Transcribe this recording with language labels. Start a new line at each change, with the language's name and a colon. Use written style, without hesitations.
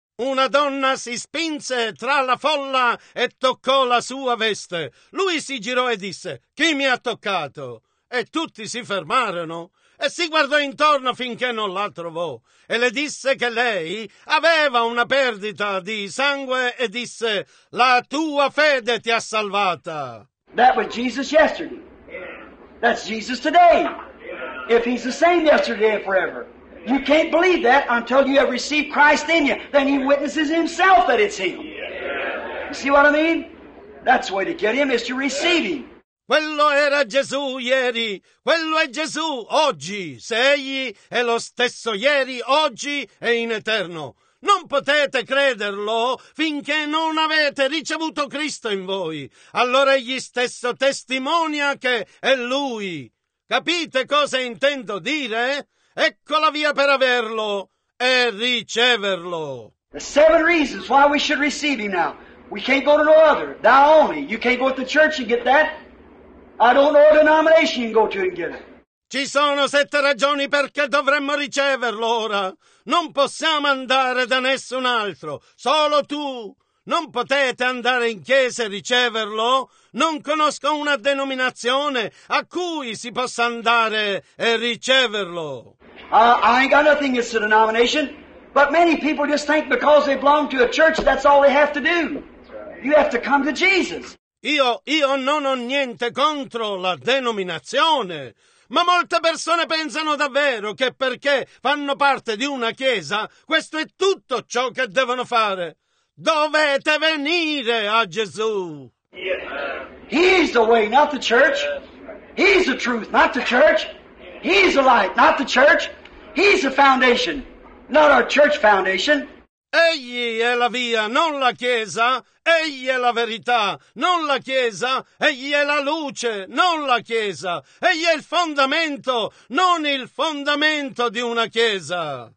Italian: Una donna si spinse tra la folla e toccò la sua veste. Lui si girò e disse, chi mi ha toccato? E tutti si fermarono e si guardò intorno finché non la trovò. E le disse che lei aveva una perdita di sangue e disse, la tua fede ti ha salvata.
English: That was Jesus yesterday. That's Jesus today. If he's the same yesterday and forever. You can't believe that until you have received Christ in you. Then he witnesses himself that it's him. You see what I mean? That's the way to get him, is to receive him.
Italian: Quello era Gesù ieri, quello è Gesù oggi. Se egli è lo stesso ieri, oggi e in eterno, non potete crederlo finché non avete ricevuto Cristo in voi. Allora egli stesso testimonia che è Lui. Capite cosa intendo dire? Ecco la via per averlo e riceverlo.
English: The seven reasons why we should receive Him now. We can't go to no other. Thou only. You can't go to the church and get that. I don't know a denomination you can go to and get it.
Italian: Ci sono sette ragioni perché dovremmo riceverlo ora. Non possiamo andare da nessun altro, solo tu. Non potete andare in chiesa e riceverlo. Non conosco una denominazione a cui si possa andare e riceverlo.
English: I ain't got nothing against the denomination, but many people just think because they belong to a church that's all they have to do. You have to come to Jesus.
Italian: Io non ho niente contro la denominazione. Ma molte persone pensano davvero che perché fanno parte di una chiesa, questo è tutto ciò che devono fare. Dovete venire a Gesù.
English: He's the way, not the church. He's the truth, not the church. He's the light, not the church. He's the foundation, not our church foundation.
Italian: Egli è la via, non la chiesa. Egli è la verità, non la chiesa. Egli è la luce, non la chiesa. Egli è il fondamento, non il fondamento di una chiesa.